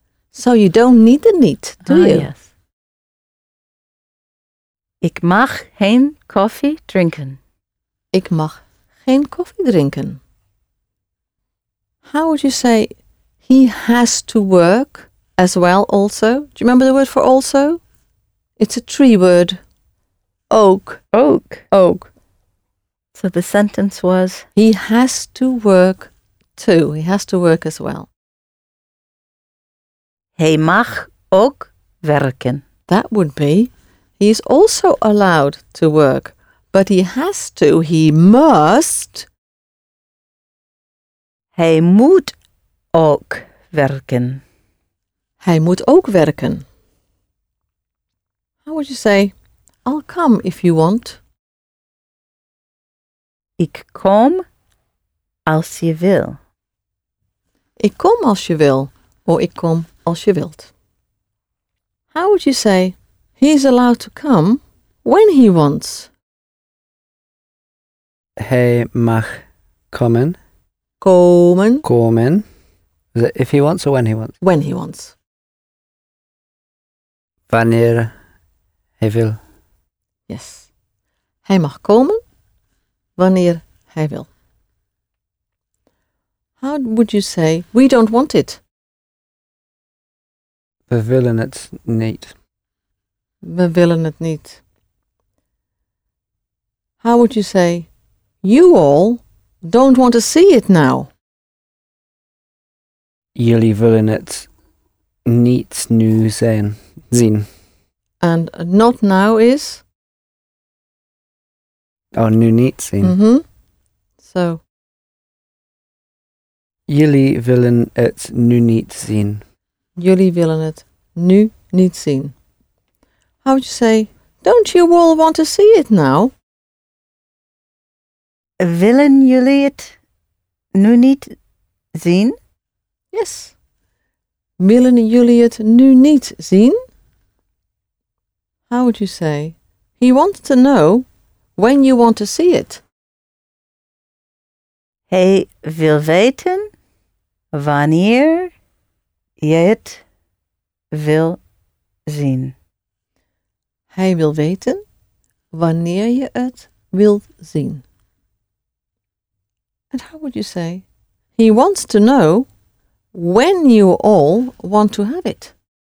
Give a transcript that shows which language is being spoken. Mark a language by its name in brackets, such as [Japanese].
[English] So you don't need the niet, do you? Yes. [Dutch] Ik mag geen koffie drinken. Ik mag geen koffie drinken. [English] How would you say he has to work as well also? Do you remember the word for also? It's a tree word. Oak. Oak. Oak. So the sentence was? He has to work too. He has to work as well. [Dutch] Hij mag ook werken. [English] That would be, he is also allowed to work, but he has to, he must. [Dutch] Hij moet ook werken. Hij moet ook werken. [English] How would you say, I'll come if you want. [Dutch] Ik kom als je wil. Ik kom als je wil, or ik kom als je wilt. [English] How would you say, he's allowed to come when he wants? [Dutch] Hij mag komen. Komen. Komen. [English] Is it if he wants or when he wants? When he wants. [Dutch] Wanneer hij wil. [English] Yes. [Dutch] Hij mag komen wanneer hij wil. [English] How would you say, we don't want it? [Dutch] We willen het niet. We willen het niet. [English] How would you say, you all don't want to see it now? [Dutch] Jullie willen het niet nu zien. [English] And not now is? [Dutch] Oh, nu niet zien. [English] Mm-hmm. So. [Dutch] Jullie willen het nu niet zien. Jullie willen het nu niet zien. [English] How would you say, don't you all want to see it now? [Dutch] Willen jullie het nu niet zien? [English] Yes. [Dutch] Willen jullie het nu niet zien? [English] How would you say, he wants to know when you want to see it? [Dutch] Hij wil weten wanneer je het wil zien. Hij wil weten wanneer je het wil zien. [English] And how would you say, he wants to know when you all want to have it?